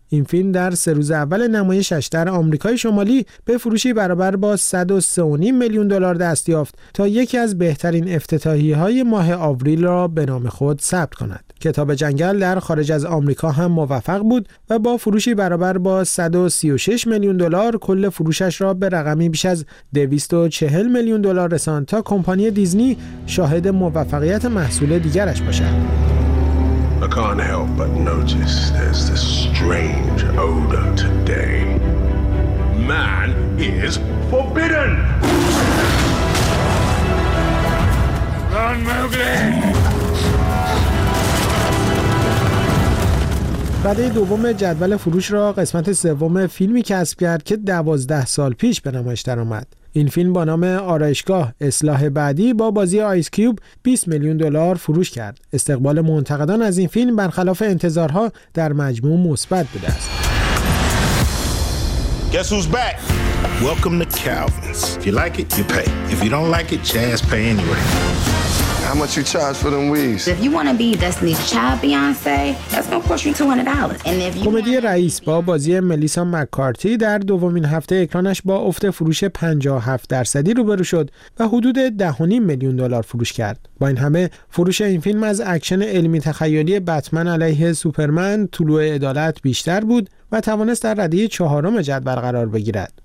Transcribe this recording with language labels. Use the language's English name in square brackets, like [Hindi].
[Persian] این فیلم در 3 روز اول نمایشش در آمریکای شمالی به فروشی برابر با 103.5 میلیون دلار دست یافت تا یکی از بهترین افتتاحیه‌های ماه آوریل را به نام خود ثبت کند. کتاب جنگل در خارج از آمریکا هم موفق بود و با فروشی برابر با 136 میلیون دلار کل فروشش را به رقمی بیش از 240 میلیون دلار رساند تا کمپانی دیزنی شاهد موفقیت محصول دیگرش باشد. [English] I can't help but notice there's this strange odor today. Man is forbidden! Run, Mowgli! [Persian] رده دوم جدول فروش را قسمت سوم فیلمی کسب کرد که 12 سال پیش به نمایش درآمد. این فیلم با نام آرایشگاه اصلاح بعدی با بازی آیس کیوب 20 میلیون دلار فروش کرد. استقبال منتقدان از این فیلم برخلاف انتظارها در مجموع مثبت بوده است. [English] Guess who's back? Welcome to Calvin's. If you like it, you pay. If you don't like it, just pay anyway. How much you charge for them weaves? If you want to be Destiny's Child Beyonce, that's gonna cost you $200. And if you [Persian] کمدی رئیس با بازی ملیسا مک‌کارتی در دومین هفته اکرانش با افت فروش 57% روبرو شد و حدود 10.5 میلیون دلار فروش کرد. با این همه فروش این فیلم از اکشن علمی تخیلی بتمن علیه سوپرمن طلوع عدالت بیشتر بود و توانست در رده چهارم جدول قرار بگیرد.